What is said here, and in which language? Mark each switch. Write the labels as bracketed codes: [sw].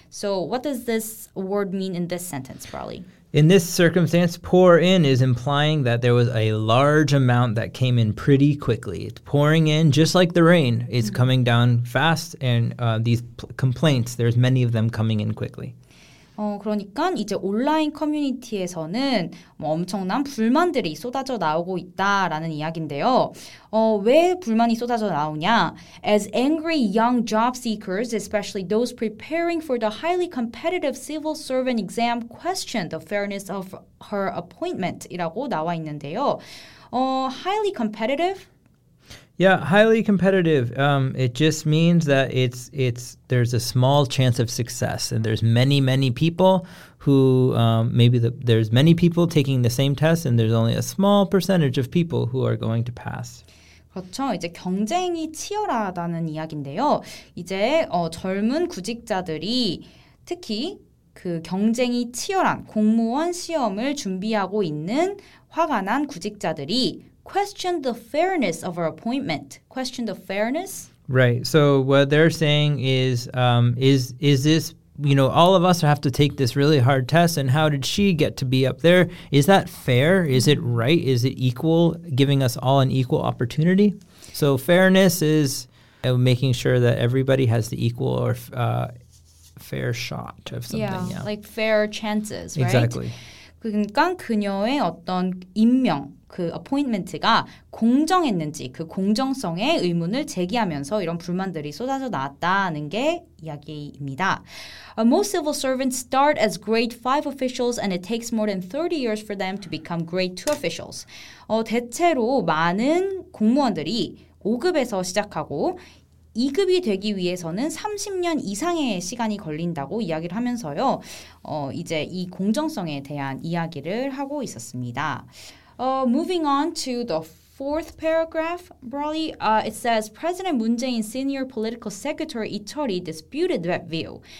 [en] So what does this word mean in this sentence, Broly? In this circumstance, pour in is implying that there was a large amount that came in pretty quickly. It's pouring in just like the rain. It's mm-hmm. coming down fast, and these complaints, there's many of them coming in quickly. [ko] 그러니까 이제 온라인 커뮤니티에서는 뭐 엄청난 불만들이 쏟아져 나오고 있다라는 이야기인데요. 왜 불만이 쏟아져 나오냐? [en] As angry young job seekers, especially those preparing for the highly competitive civil servant exam, question the fairness of her appointment [ko] 이라고 나와 있는데요. [en] Highly competitive? Yeah, highly competitive. It just means that there's a small chance of success, and there's many, many people who there's many people taking the same test, and there's only a small percentage of people who are going to pass. [ko] 그렇죠. 이제 경쟁이 치열하다는 이야기인데요. 이제 젊은 구직자들이 특히 그 경쟁이 치열한 공무원 시험을 준비하고 있는 화가 난 구직자들이 [en] question the fairness of her appointment. Question the fairness? Right. So what they're saying is this, you know, all of us have to take this really hard test, and how did she get to be up there? Is that fair? Is it right? Is it equal, giving us all an equal opportunity? So fairness is making sure that everybody has the equal or fair shot of something. Yeah, yeah. Like fair chances, right? Exactly. [ko] 그러니까 그녀의 어떤 임명, 그 appointment가 공정했는지 그 공정성의 의문을 제기하면서 이런 불만들이 쏟아져 나왔다는 게 이야기입니다. [en] Most civil servants start as grade 5 officials and it takes more than 30 years for them to become grade 2 officials. [ko] 대체로 많은 공무원들이 5급에서 시작하고 2급이 되기 위해서는 30년 이상의 시간이 걸린다고 이야기를 하면서요. 이제 이 공정성에 대한 이야기를 하고 있었습니다. [en] Moving on to the fourth paragraph, Broly, it says President Moon Jae-in's senior political secretary Lee Cheol-hee disputed that view.